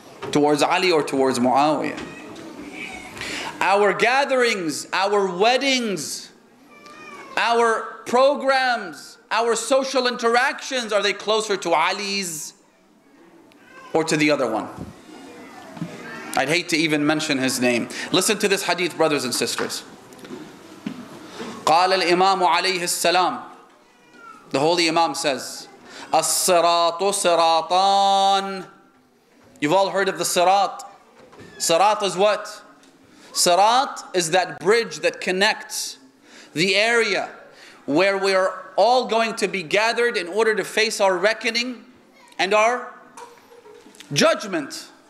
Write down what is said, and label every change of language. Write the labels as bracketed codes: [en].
[en] Towards Ali or towards Muawiyah? Our gatherings, our weddings, our programs, our social interactions, are they closer to Ali's or to the other one? I'd hate to even mention his name. Listen to this hadith, brothers and sisters. [ar] قال الإمام عليه السلام, [en] the holy Imam says, [ar] الصراط صراطان. [en] You've all heard of the Sirat. Sirat is what? Sirat is that bridge that connects the area where we are all going to be gathered in order to face our reckoning and our judgment.